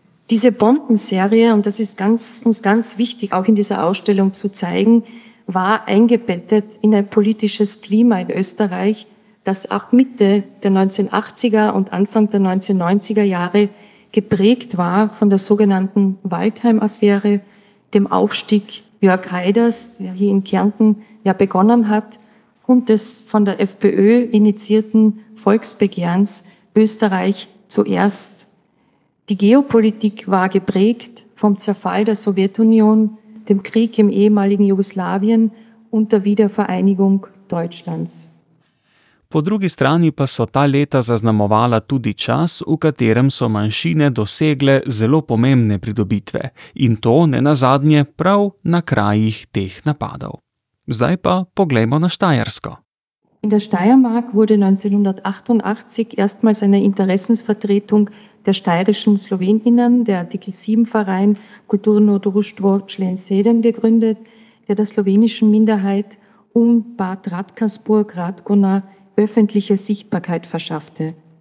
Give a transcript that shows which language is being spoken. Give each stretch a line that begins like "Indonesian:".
German: Diese Bombenserie, und das ist uns ganz wichtig, auch in dieser Ausstellung zu zeigen, war eingebettet in ein politisches Klima in Österreich, das auch Mitte der 1980er und Anfang der 1990er Jahre geprägt war von der sogenannten Waldheim-Affäre, dem Aufstieg Jörg Haiders, der hier in Kärnten ja begonnen hat, und des von der FPÖ initiierten Volksbegehrens Österreich zuerst. Die Geopolitik war geprägt vom Zerfall der Sowjetunion, dem Krieg im ehemaligen Jugoslawien und der Wiedervereinigung Deutschlands.
Slovenian: Po drugi strani pa so ta leta zaznamovala tudi čas, v katerem so manjšine dosegle zelo pomembne pridobitve, in to ne nazadnje prav na krajih teh napadov. Zdaj pa poglejmo na Štajersko.
German: In der Steiermark wurde 1988 erstmals eine Interessensvertretung der steirischen Sloweninnen, der Artikel 7 Verein Kulturno Društvo Člen Sedem, gegründet, der der slowenischen Minderheit um Bad Radkersburg, Radgona, öffentliche Sichtbarkeit verschaffte.